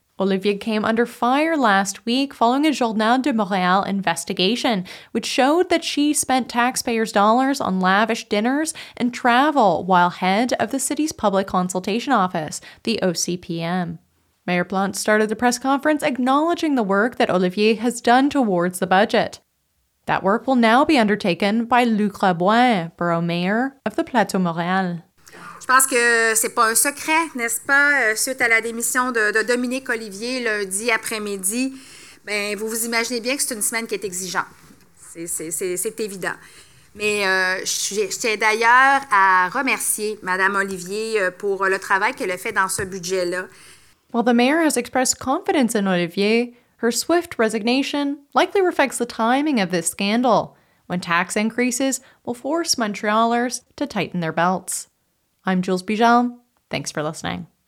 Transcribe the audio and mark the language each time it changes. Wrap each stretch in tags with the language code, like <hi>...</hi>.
<en>Olivier came under fire last week following a Journal de Montréal investigation, which showed that she spent taxpayers' dollars on lavish dinners and travel while head of the city's public consultation office, the OCPM. Mayor Plante started the press conference acknowledging the work that Olivier has done towards the budget. That work will now be undertaken by Luc Rabouin, borough mayor of the Plateau Montréal.</en> <fr>Je pense que c'est pas un secret, n'est-ce pas, suite à la démission de Dominique Olivier lundi après-midi. Ben, vous vous imaginez bien que c'est une semaine qui est exigeante. C'est évident. Mais je tiens d'ailleurs à remercier Madame Olivier pour le travail qu'elle a fait dans ce budget-là.</fr> <en>While the mayor has expressed confidence in Olivier, her swift resignation likely reflects the timing of this scandal, when tax increases will force Montrealers to tighten their belts. I'm Jules Bijal. Thanks for listening.</en>